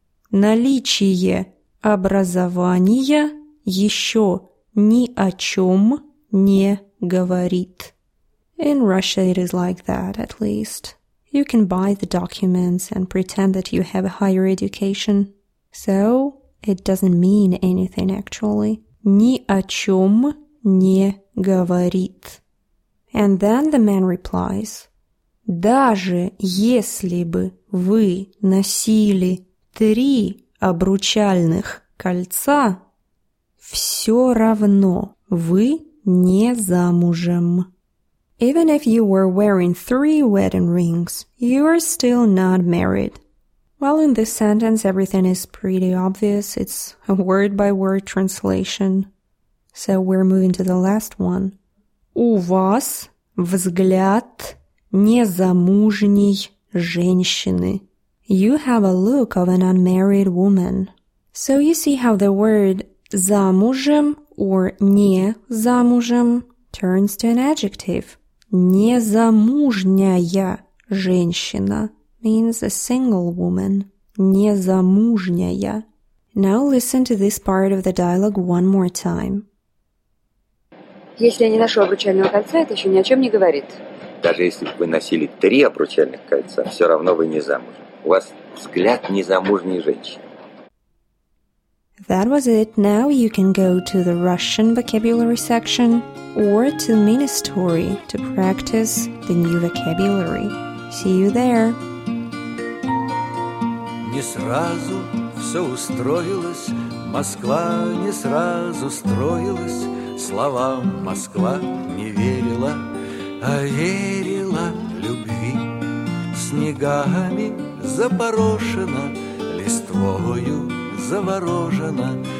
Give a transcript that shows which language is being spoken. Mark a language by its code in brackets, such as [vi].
[ru] Наличие образования еще ни о чем не говорит. [en] In Russia it is like that, at least. You can buy the documents and pretend that you have a higher education. So, it doesn't mean anything, actually. [ru] Ни о чем не говорит. [en] And then the man replies, [ru] даже если бы вы носили три обручальных кольца, все равно вы не замужем. [en] Even if you were wearing three wedding rings, you are still not married. Well, in this sentence, everything is pretty obvious. It's a word-by-word translation. So we're moving to the last one. [ru] У вас взгляд незамужней женщины. [en] You have a look of an unmarried woman. So you see how the word замужем or незамужем turns to an adjective. [ru] Незамужняя женщина [en] means a single woman. [ru] Незамужняя. [en] Now listen to this part of the dialogue one more time. [ru] Если я не ношу обручального кольца, это еще ни о чем не говорит. Даже если бы вы носили три обручальных кольца, все равно вы не замужем. У вас взгляд незамужней женщины. [en] That was it. Now you can go to the Russian vocabulary section or to Ministory to practice the new vocabulary. See you there. [ru] Не сразу все устроилось, Москва не сразу строилась. Словам Москва не верила, а верила любви. Снегами запорошена, листвою заворожена.